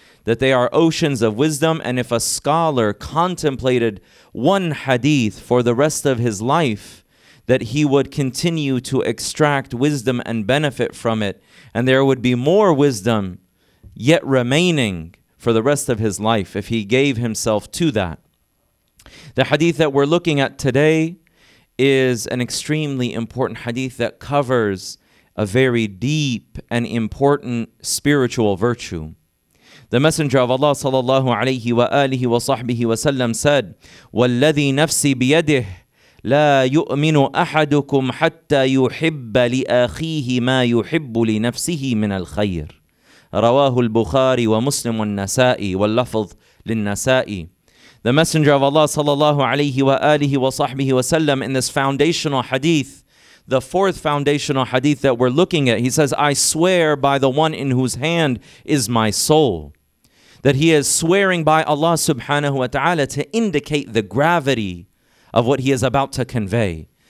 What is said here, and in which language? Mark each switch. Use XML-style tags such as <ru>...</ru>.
<en>That they are oceans of wisdom, and if a scholar contemplated one hadith for the rest of his life, that he would continue to extract wisdom and benefit from it, and there would be more wisdom yet remaining for the rest of his life if he gave himself to that. The hadith that we're looking at today is an extremely important hadith that covers a very deep and important spiritual virtue. The Messenger of Allah sallallahu alayhi wa alihi wa sahbihi wa sallam said,</en> <ar>وَالَّذِي نَفْسِ بِيَدِهِ لَا يُؤْمِنُ أَحَدُكُمْ حَتَّى يُحِبَّ لِأَخِيهِ مَا يُحِبُّ لِنَفْسِهِ مِنَ الْخَيْرِ رَوَاهُ الْبُخَارِ وَمُسْلِمُ النَّسَائِي وَاللَّفَظ لِلنَّسَائِي.</ar> <en>The Messenger of Allah sallallahu alayhi wa alihi wa sahbihi wa sallam, in this foundational hadith, the fourth foundational hadith that we're looking at, he says, I swear by the one in whose hand is my soul. That he is swearing by Allah subhanahu wa ta'ala to indicate the gravity of what he is about to convey.</en>